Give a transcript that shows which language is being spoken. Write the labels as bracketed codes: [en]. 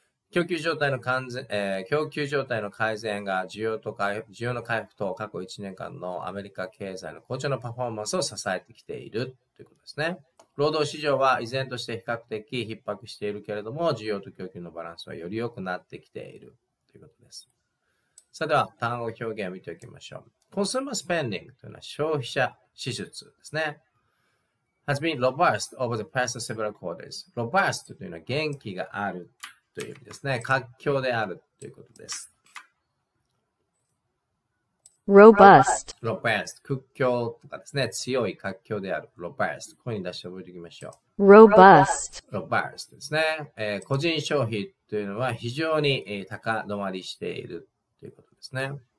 [ja] 供給状態の完全、供給状態の改善が需要の回復と過去1年間のアメリカ経済の好調なパフォーマンスを支えてきているということですね。労働市場は依然として比較的逼迫しているけれども、需要と供給のバランスはより良くなってきているということです。さあでは単語表現を見ておきましょう。 Consumer spending というのは消費者支出ですね。 [en] Has been robust over the past several quarters. [ja] Robust というのは元気があるという意味ですね。活況であるということです。 Robust。 Robust。 屈強とかですね。強い活況である。Robust。声に出して覚えていきましょう。 Robust。 Robust ですね。個人消費というのは非常に高止まりしているということですね。